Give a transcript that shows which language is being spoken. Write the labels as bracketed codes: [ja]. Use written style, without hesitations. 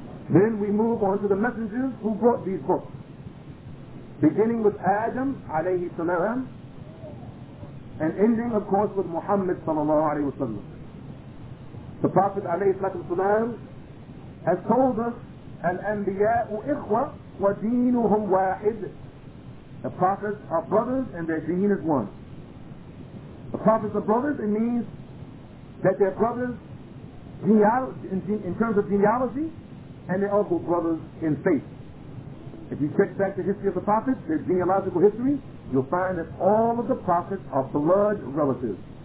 [en] Then we move on to the messengers who brought these books, beginning with Adam alayhi salam and ending, of course, with Muhammad sallallahu alayhi wasallam. The Prophet alayhi salam has told us [ar] الأنبياء إخوة ودينهم واحد. [en] The prophets are brothers and their deen is one. The prophets are brothers, it means that they're brothers in terms of genealogy, and they're also brothers in faith. If you check back the history of the prophets, their genealogical history, you'll find that all of the prophets are blood relatives.